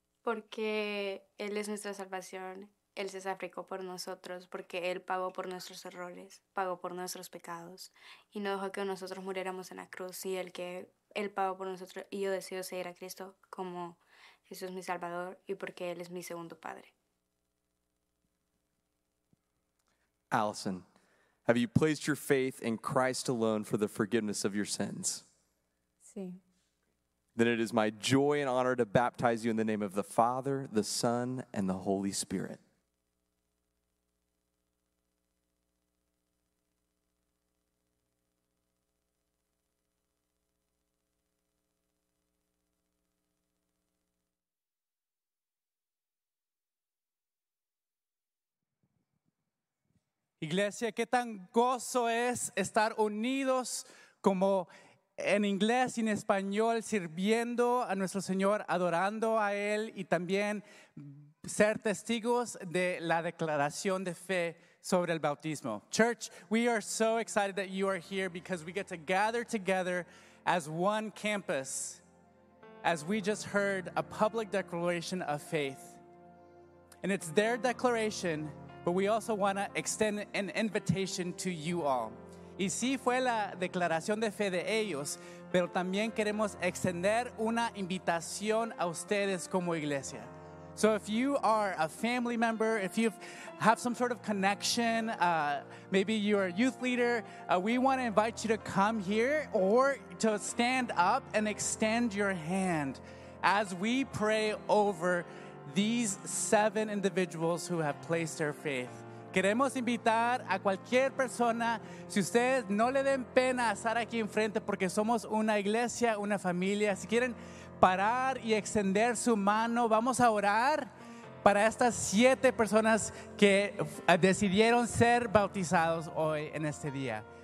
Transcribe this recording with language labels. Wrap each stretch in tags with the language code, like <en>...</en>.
<es>Porque Él es nuestra salvación, Él se sacrificó por nosotros, porque Él pagó por nuestros errores, pagó por nuestros pecados, y no dejó que nosotros muriéramos en la cruz, y el que Él pagó por nosotros, y yo decido seguir a Cristo como Jesús mi Salvador, y porque Él es mi segundo Padre.</es> <en>Allison, have you placed your faith in Christ alone for the forgiveness of your sins?</en> <es>Sí.</es> <en>Then it is my joy and honor to baptize you in the name of the Father, the Son, and the Holy Spirit.</en> <es>Iglesia, qué tan gozo es estar unidos como en inglés y en español, sirviendo a nuestro Señor, adorando a Él y también ser testigos de la declaración de fe sobre el bautismo.</es> <en>Church, we are so excited that you are here because we get to gather together as one campus as we just heard a public declaration of faith. And it's their declaration, but we also want to extend an invitation to you all.</en> <es>Y sí fue la declaración de fe de ellos, pero también queremos extender una invitación a ustedes como iglesia.</es> <en>So if you are a family member, if you have some sort of connection, maybe you're a youth leader, we want to invite you to come here or to stand up and extend your hand as we pray over these 7 individuals who have placed their faith</en> <es>Queremos invitar a cualquier persona, si ustedes no le den pena estar aquí enfrente, porque somos una iglesia, una familia. Si quieren parar y extender su mano, vamos a orar para estas 7 personas que decidieron ser bautizados hoy en este día.</es>